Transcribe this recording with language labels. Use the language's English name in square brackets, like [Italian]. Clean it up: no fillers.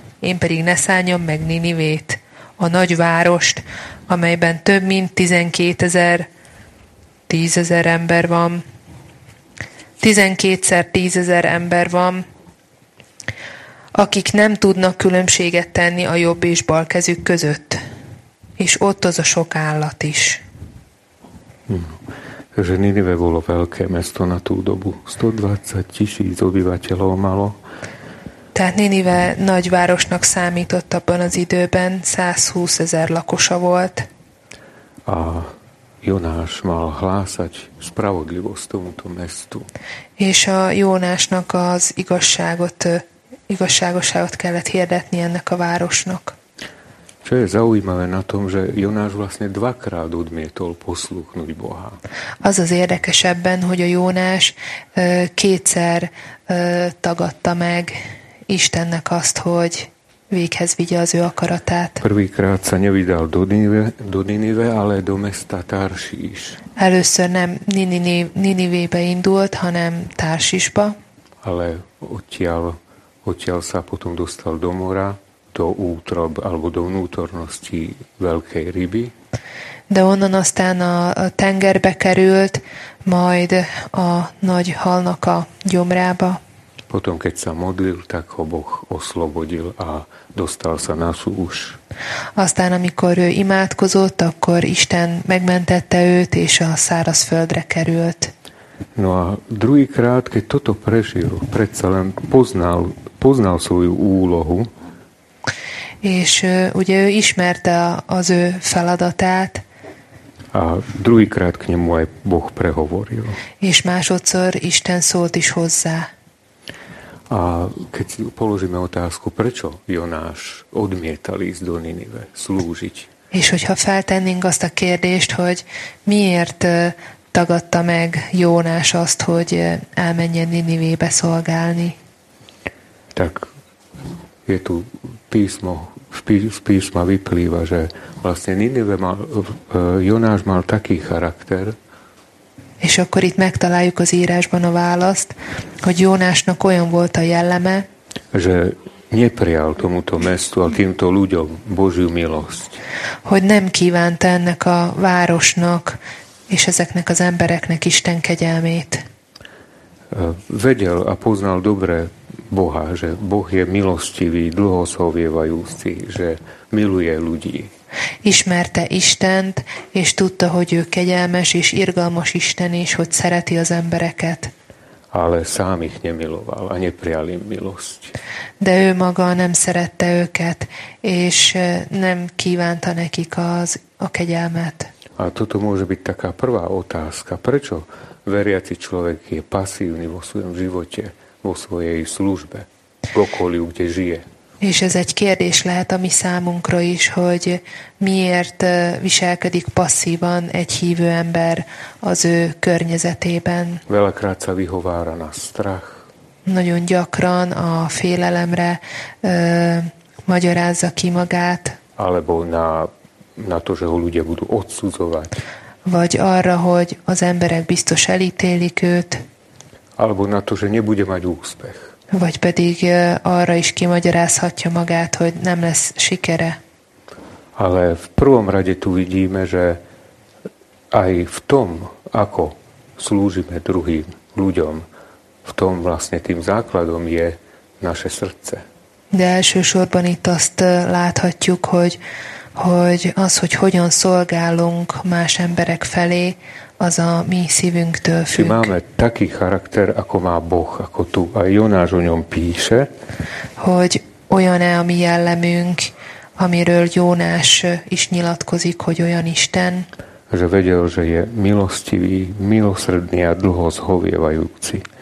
[Hungarian] Én pedig ne szánjam meg Ninivét, a nagy várost, amelyben több mint 10 000 ember van, 12-10 000 ember van, akik nem tudnak különbséget tenni a jobb és bal kezük között. És ott az a sok állat is. [Slovak] Takže Ninive bolo veľké mesto na tú dobu. 120 tisíc obyvateľov malo. [Hungarian] Tehát Ninive nagy városnak számított abban az időben, 120 000 lakosa volt. [Slovak] A Jonáš mal hlásať spravodlivosť tomuto mestu. [Hungarian] És a Jónásnak az igazságot, igazságosságot kellett hirdetni ennek a városnak. [Slovak] Čo je zaujímavé na tom, že Jonáš vlastne dvakrát odmietol poslúchnuť Boha. [Hungarian] Az az érdekes ebben, hogy a Jónás kétszer tagadta meg Istennek azt, hogy véghez vigye az ő akaratát. [Slovak] Prvýkrát sa nevydal do Ninive, ale do mesta Tarsis. [Hungarian] Először nem Ninivébe indult, hanem Tarsisba. [Slovak] Ale odtiaľ sa potom dostal do mora, do útrob, alebo do vnútornosti veľkej ryby. [Hungarian] De onnan aztán a tengerbe került, majd a nagy halnak a gyomrába. [Slovak] Potom, keď sa modlil, tak ho Boh oslobodil a dostal sa na súš. [Hungarian] Aztán, amikor ő imádkozott, akkor Isten megmentette őt, és a szárazföldre került. [Slovak] No a druhýkrát, keď toto prežil, predsa len poznal svoju úlohu. [Hungarian] És ugye ő ismerte az ő feladatát. [Slovak] A druhýkrát k nemu aj Boh prehovoril. [Hungarian] És másodszor Isten szólt is hozzá. [Slovak] A keď položíme otázku, prečo Jonáš odmietal ísť do Ninive, slúžiť? [Hungarian] És hogyha feltennénk azt a kérdést, hogy miért tagadta meg Jónás azt, hogy elmenjen Ninivébe szolgálni? [Slovak] Tak je tu písmo, z písma vyplýva, že vlastne Ninive mal, Jonáš mal taký charakter, [Hungarian] és akkor itt megtaláljuk az írásban a választ, hogy Jónásnak olyan volt a jelleme, [Slovak] že neprijal tomuto mestu a týmto ľuďom Božiu milosť. [Hungarian] Hogy nem kívánta ennek a városnak és ezeknek az embereknek Isten kegyelmét. [Slovak] Vedel a poznal dobre Boha, že Boh je milostivý, dlhoshovievajúci, že miluje ľudí. [Hungarian] Ismerte Istent, és tudta, hogy ő kegyelmes és irgalmas Isten, és hogy szereti az embereket. [Slovak] Ale sám ich nemiloval a neprijal im milosť. [Hungarian] De ő maga nem szerette őket, és nem kívánta nekik a kegyelmet. [Slovak] A toto môže byť taká prvá otázka. Prečo veriaci človek je pasívny vo svojom živote, vo svojej službe, kokoliv, kde žije? [Hungarian] És ez egy kérdés lehet a mi számunkra is, hogy miért viselkedik passzívan egy hívő ember az ő környezetében. [Slovak] Veľakrát sa vyhovára na strach. [Hungarian] Nagyon gyakran a félelemre magyarázza ki magát. [Slovak] Alebo na to, že ho ľudia budú odsudzovať. [Hungarian] Vagy arra, hogy az emberek biztos elítélik őt. [Slovak] Alebo na to, že nebude mať úspech. [Hungarian] Vagy pedig arra is kimagyarázhatja magát, hogy nem lesz sikere. [Slovak] Ale v prvom rade tu vidíme, že aj v tom, ako slúžime druhým ľuďom, v tom vlastne tým základom je naše srdce. [Hungarian] De elsősorban itt azt láthatjuk, hogy az, hogy hogyan szolgálunk más emberek felé, az a mi szívünktől függ. [Slovak] Či máme taký charakter, ako má Boh, ako tu a Jonáš o ňom píše. [Hungarian] Hogy olyan-e a mi jellemünk, amiről Jonáš is nyilatkozik, hogy olyan Isten. [Slovak] Že vedel, že je milostivý, milosrdný a dlho zhovievajúci.